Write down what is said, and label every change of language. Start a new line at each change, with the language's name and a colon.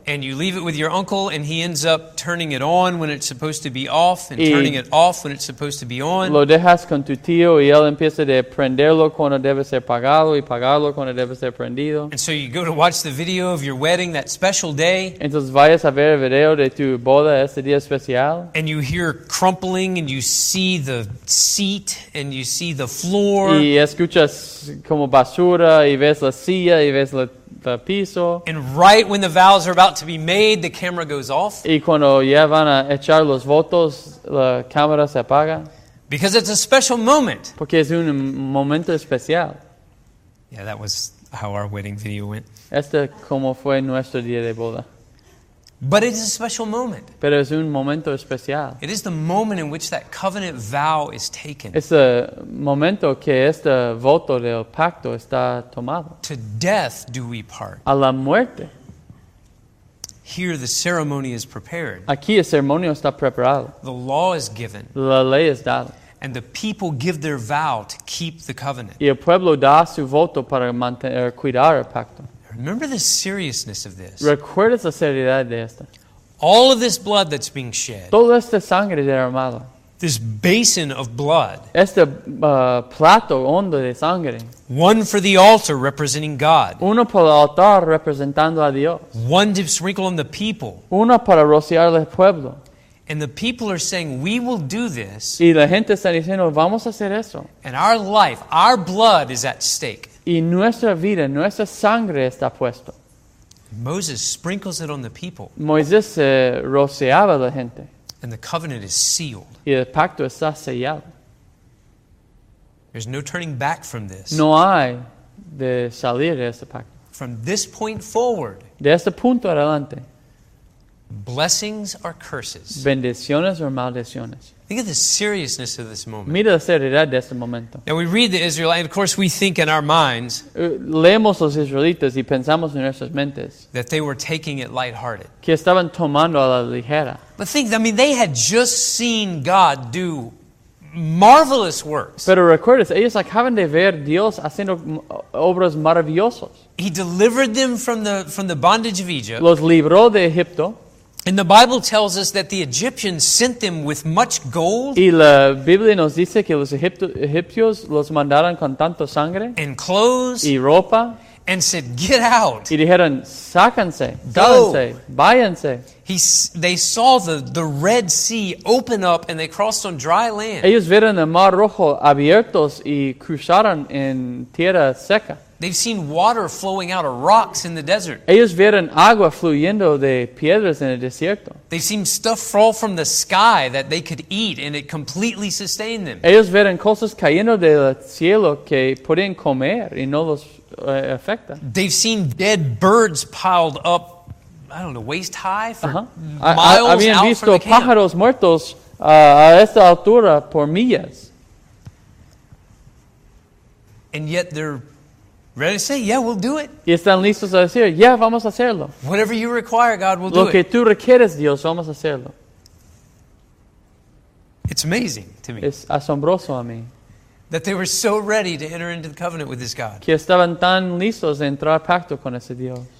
English: And you leave it with your uncle, and he ends up turning it on when it's supposed to be off, and turning it off when it's supposed to be on.
Spanish: Lo dejas con tu tío, y él empieza de prenderlo cuando debe ser apagado, y apagarlo cuando debe ser prendido.
English: And so you go to watch the video of your wedding that special day.
Spanish: Entonces vayas a ver el video de tu boda ese día especial.
English: And you hear crumpling, and you see the seat, and you see the floor.
Spanish: Y escuchas como basura. Y ves la silla, y ves la piso.
English: And right when the vows are about to be made, the camera goes off.
Spanish: Y cuando ya van a echar los votos, la cámara se apaga.
English: Because it's a special moment.
Spanish: Porque es un momento especial.
English: Yeah, that was how our wedding video went.
Spanish: Este como fue nuestro día de boda.
English: But it is a special moment.
Spanish: Pero es un momento especial.
English: It is the moment in which that covenant vow is taken.
Spanish: Es el momento que este voto del pacto está tomado.
English: To death do we part.
Spanish: A la muerte.
English: Here the ceremony is prepared.
Spanish: Aquí el ceremonio está preparado.
English: The law is given.
Spanish: La ley es dada.
English: And the people give their vow to keep the covenant.
Spanish: Y el pueblo da su voto para mantener, cuidar el pacto.
English: Remember the seriousness of this.
Spanish: ¿Recuerdas la seriedad de esta?
English: All of this blood that's being shed.
Spanish: Toda esta sangre derramada.
English: This basin of blood.
Spanish: Este plato hondo de sangre.
English: One for the altar representing God.
Spanish: Uno para el altar representando a Dios.
English: One to sprinkle on the people.
Spanish: Uno para rociar al pueblo.
English: And the people are saying, we will do this.
Spanish: Y la gente está diciendo, vamos a hacer eso.
English: And our life, our blood is at stake.
Spanish: Y nuestra vida, nuestra sangre está puesta.
English: Moses sprinkles it on the people.
Spanish: Moisés se rociaba a la gente.
English: And the covenant is sealed.
Spanish: Y el pacto está sellado.
English: There's no turning back from this.
Spanish: No hay de salir de este pacto.
English: From this point forward.
Spanish: De este punto adelante.
English: Blessings or curses.
Spanish: Bendiciones o maldiciones.
English: Think of the seriousness of this moment.
Spanish: Mira la seriedad de este momento.
English: Now we read the Israelites, and of course we think in our minds.
Spanish: Leemos los israelitas y pensamos en nuestras mentes.
English: That they were taking it lighthearted.
Spanish: Que estaban tomando a la ligera.
English: But think, I mean, they had just seen God do marvelous works.
Spanish: Pero recuerda, ellos acaban de ver Dios haciendo obras maravillosas.
English: He delivered them from the bondage of Egypt.
Spanish: Los libró de Egipto.
English: And the Bible tells us that the Egyptians sent them with much gold.
Spanish: Y la Biblia nos dice que los egipcios los mandaron con tanto sangre.
English: And clothes.
Spanish: Y ropa.
English: And said, "Get out."
Spanish: Y dijeron, sáquense, sálense, váyanse.
English: They saw the Red Sea open up and they crossed on dry land.
Spanish: Ellos vieron el Mar Rojo abiertos y cruzaron en tierra seca.
English: They've seen water flowing out of rocks in the desert.
Spanish: Ellos vieron agua fluyendo de piedras en el desierto.
English: They've seen stuff fall from the sky that they could eat and it completely sustained them.
Spanish: Ellos vieron cosas cayendo del cielo que podían comer y no los afecta.
English: They've seen dead birds piled up, I don't know, waist high for miles
Spanish: habían
English: out
Spanish: visto
English: from the
Spanish: pájaros
English: camp.
Spanish: Muertos a esta altura por millas.
English: And yet they're ready to say, "Yeah, we'll do it."
Spanish: Y están listos a decir, "Yeah, vamos a hacerlo."
English: Whatever you require, God, we'll
Spanish: lo
English: do it.
Spanish: Lo que tú requieres, Dios, vamos a hacerlo.
English: It's amazing to me.
Spanish: Es asombroso a mí.
English: That they were so ready to enter into the covenant with this God.
Spanish: Que estaban tan listos de entrar pacto con ese Dios.